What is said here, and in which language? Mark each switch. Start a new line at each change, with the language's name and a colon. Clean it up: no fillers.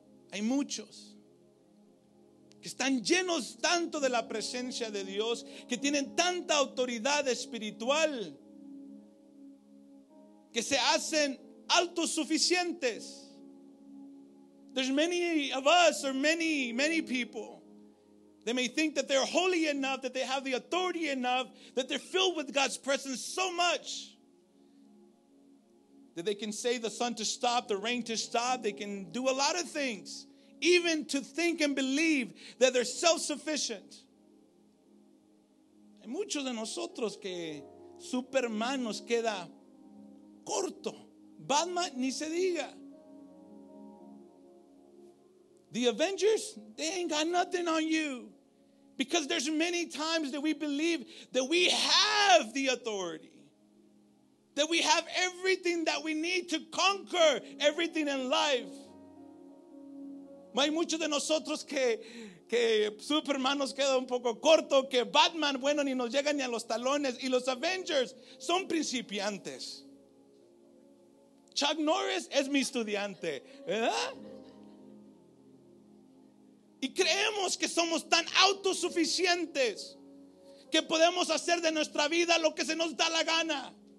Spanish: Hay muchos que están llenos tanto de la presencia de Dios, que tienen tanta autoridad espiritual, que se hacen autosuficientes.
English: There's many of us, or many people, they may think that they're holy enough, that they have the authority enough, that they're filled with God's presence so much that they can say the sun to stop, the rain to stop. They can do a lot of things, even to think and believe that they're self-sufficient.
Spanish: Hay muchos de nosotros que Superman nos queda corto. Batman, ni se diga.
English: The Avengers, they ain't got nothing on you. Because there's many times that we believe that we have the authority, that we have everything that we need to conquer everything in life.
Spanish: Hay muchos de nosotros que Superman nos queda un poco corto, que Batman, bueno, ni nos llega ni a los talones. Y los Avengers son principiantes. Chuck Norris es mi estudiante, ¿verdad? Y creemos que somos tan autosuficientes que podemos hacer de nuestra vida lo que se nos da la gana.